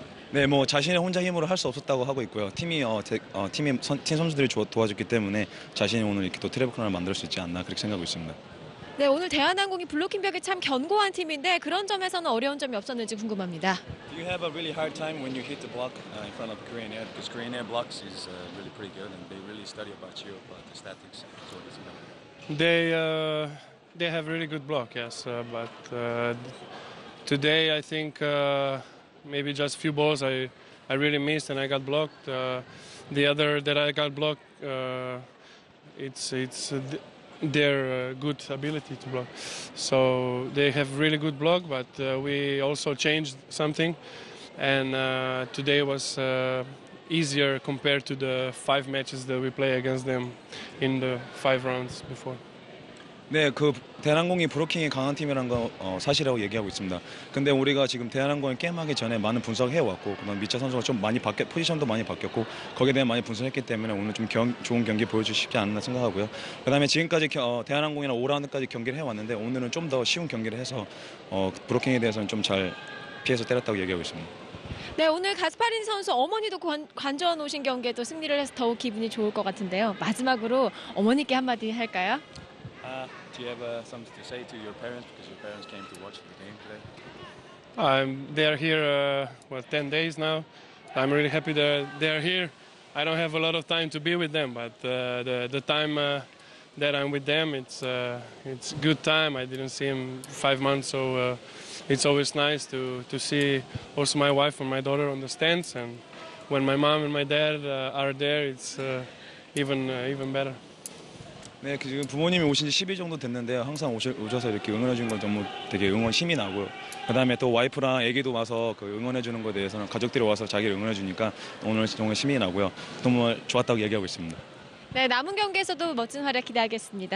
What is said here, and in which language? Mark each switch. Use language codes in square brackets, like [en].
[ko] 네, 뭐 자신의 혼자 힘으로 할 수 없었다고 하고 있고요. 팀 선수들이 도와줬기 때문에 자신이 오늘 이렇게 또 트래블 크라운을 만들 수 있지 않나 그렇게 생각하고 있습니다. 네, 오늘 대한항공이 블로킹 벽이 참 견고한 팀인데 그런 점에서는 어려운 점이 없었는지 궁금합니다. [en] Do you have a really hard time when you hit the block in front of Korean Air? Because Korean Air blocks is really pretty good, and they really study about you, about the statics. So what is it? They have really good block, yes, but. Today I think maybe just a few balls I really missed and I got blocked. The other that I got blocked, it's their good ability to block. So they have really good block, but we also changed something. And today was easier compared to the five matches that we play against them in the five rounds before. [ko] 네, 그 대한항공이 브로킹이 강한 팀이라는 거 사실이라고 얘기하고 있습니다. 근데 우리가 지금 대한항공을 게임하기 전에 많은 분석을 해왔고 그다음 미차 선수가 좀 많이 바뀌 포지션도 많이 바뀌었고 거기에 대해 많이 분석했기 때문에 오늘 좀 좋은 경기 보여주시지 않나 생각하고요. 그다음에 지금까지 대한항공이나 5라운드까지 경기를 해왔는데 오늘은 좀 더 쉬운 경기를 해서 브로킹에 대해서는 좀 잘 피해서 때렸다고 얘기하고 있습니다. 네, 오늘 가스파린 선수 어머니도 관전 오신 경기에 또 승리를 해서 더욱 기분이 좋을 것 같은데요. 마지막으로 어머니께 한마디 할까요? [en] Do you have something to say to your parents because your parents came to watch the game today? They are here, 10 days now. I'm really happy that they are here. I don't have a lot of time to be with them, but the time that I'm with them, it's good time. I didn't see him 5 months, so it's always nice to see also my wife and my daughter on the stands. And when my mom and my dad are there, it's even better. [ko] 네, 지금 부모님이 오신 지 10일 정도 됐는데요. 항상 오셔서 이렇게 응원해 주는 걸 너무 되게 응원 힘이 나고요. 그다음에 또 와이프랑 아기도 와서 그 응원해 주는 거에 대해서는 가족들이 와서 자기를 응원해 주니까 오늘 정말 힘이 나고요. 너무 좋았다고 얘기하고 있습니다. 네, 남은 경기에서도 멋진 활약 기대하겠습니다.